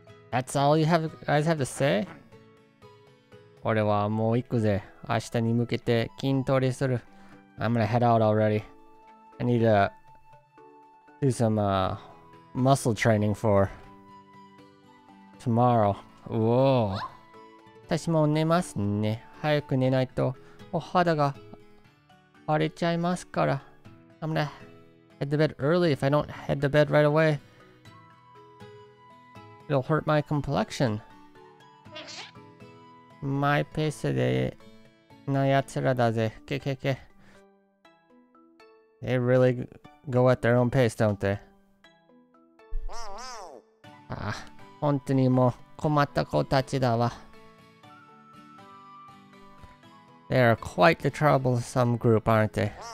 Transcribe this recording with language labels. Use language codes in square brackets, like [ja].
[en] That's all you have, guys have to say? [ja] 俺はもう行くぜ。明日に向けて筋トレする。 [en] I'm gonna head out already. I need to do some muscle training for tomorrow. [ja] Whoa. 私も寝ますね。早く寝ないと。お肌が荒れちゃいますから [en] I'm gonna head to bed early. If I don't head to bed right away, it'll hurt my complexion. [ja] マイペースでなやつらだぜ。ケケケ。 [en] They really go at their own pace, don't they? [ja] ああ、本当にもう困った子たちだわ。 [en] They are quite the troublesome group, aren't they?